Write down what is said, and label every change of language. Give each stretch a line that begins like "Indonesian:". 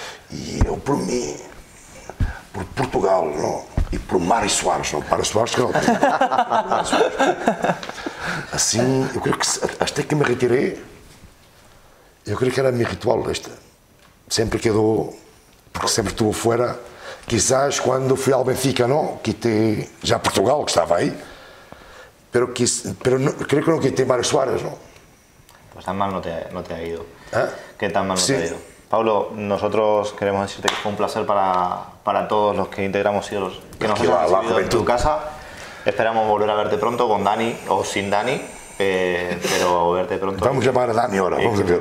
Spanish: Y yo por mí, por Portugal, ¿no? Y por Mário Soares, ¿no? Mário Soares, claro. Así, yo creo que hasta que me retiré, yo creo que era mi ritual este. Siempre quedó, porque siempre estuvo fuera,
Portuguese: quizás quando fui ao Benfica, não, quitei já Portugal, que estava aí, creio que não quitei Mário Soares, não.
Spanish: Pues tan mal no te ha ido. ¿Eh? ¿Qué tan mal no sí. te ha ido? Pablo, nosotros queremos decirte que fue un placer para todos los que integramos Ídolos, que nos hemos recibido en tu casa. Esperamos volver a verte pronto con Dani o sin Dani, pero verte pronto. Vamos a llamar a Dani ahora. Vamos a ver.